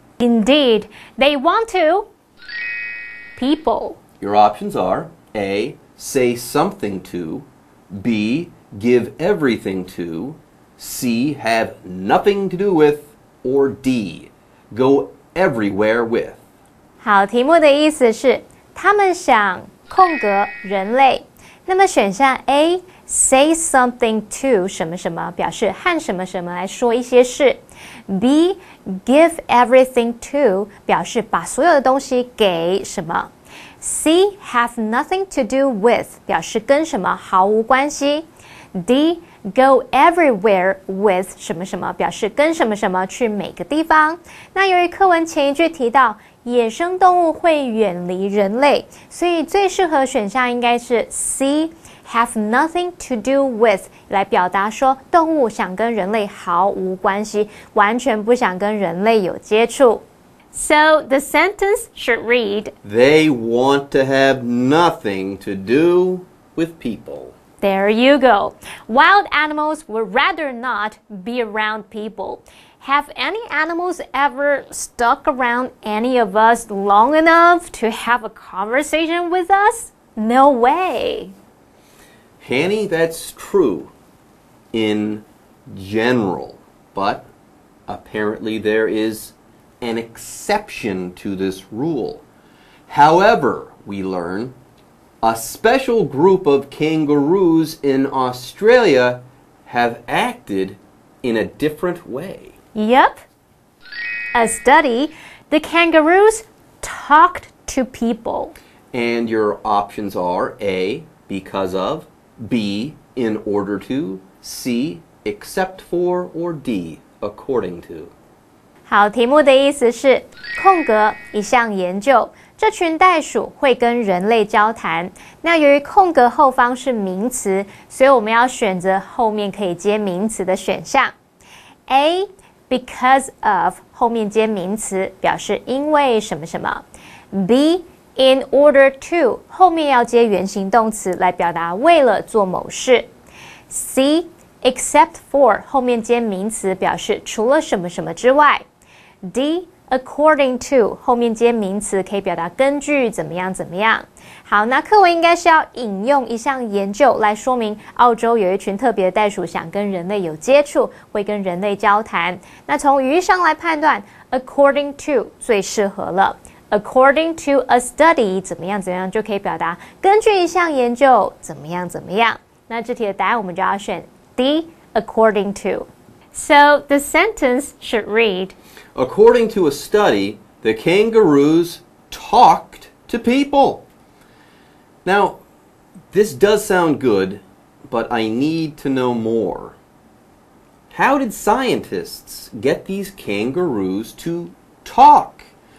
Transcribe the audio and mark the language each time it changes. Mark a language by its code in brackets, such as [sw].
[en] Indeed, they want to people. Your options are A, say something to, B, give everything to, C, have nothing to do with, or D, go everywhere with. [zh] 好，题目的意思是他们想空格人类。那么选项 A, [en] say something to [zh] 什么什么，表示和什么什么来说一些事。 B, [en] give everything to [zh] 表示把所有的东西给什么。 C, [en] have nothing to do with [zh] 表示跟什么毫无关系。 D, [en] go everywhere with [zh] 什么什么，表示跟什么什么去每个地方。那由于课文前一句提到野生动物会远离人类，所以最适合选项应该是 C, [en] have nothing to do with, [zh] 来表达说动物想跟人类毫无关系，完全不想跟人类有接触。 [en] So the sentence should read, they want to have nothing to do with people. There you go. Wild animals would rather not be around people. Have any animals ever stuck around any of us long enough to have a conversation with us? No way. Hanny, that's true in general, but apparently there is an exception to this rule. However, we learn a special group of kangaroos in Australia have acted in a different way. Yep. A study, the kangaroos talked to people. And your options are A, because of, B, in order to, C, except for, or D, according to. [zh] 好，题目的意思是空格一项研究，这群袋鼠会跟人类交谈。那由于空格后方是名词，所以我们要选择后面可以接名词的选项。 A, [en] Because of, [zh] 后面接名词表示因为什么什么。B, [en] in order to, [zh] 后面要接原形动词来表达为了做某事。 C, [en] except for, [zh] 后面接名词表示除了什么什么之外。 D, [en] according to, [zh] 后面接名词可以表达根据怎么样怎么样。好，那课文应该是要引用一项研究来说明澳洲有一群特别的袋鼠想跟人类有接触，会跟人类交谈。那从语义上来判断 ， [en] according to [zh] 最适合了。 [en] according to a study [zh] 怎么样怎么样就可以表达根据一项研究怎么样怎么样。那这题的答案我们就要选 D, [en] according to. So the sentence should read, according to a study, the kangaroos talked to people. Now, this does sound good, but I need to know more. How did scientists get these kangaroos to talk?